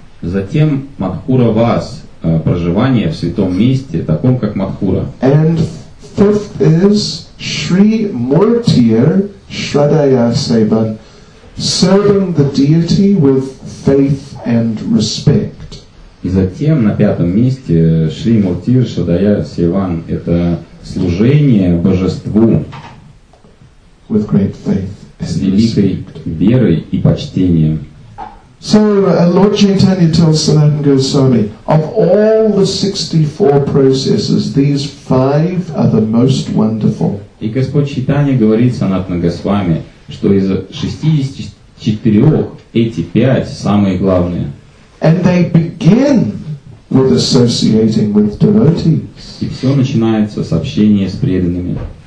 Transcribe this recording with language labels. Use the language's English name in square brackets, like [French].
[Russian] Затем Mathura Vas, проживание в святом месте, таком как Mathura. [English] And fifth is Sri Murtir, Shraddhaya Sevan, serving the deity with faith and respect. [Russian] И затем на пятом месте Шри Муртир Шадая Севан, это служение божеству [English] with great faith and [Russian] с великой верой и почтением. [English] So Lord Chaitanya tells Sanatan Goswami, of all the 64 processes, these five are the most wonderful. [Russian] И Господь Чайтанья говорит Санатана Госвами, что из 64 эти пять самые главные. [English] And they begin with associating with devotees. [Russian] И все начинается с общения с преданными.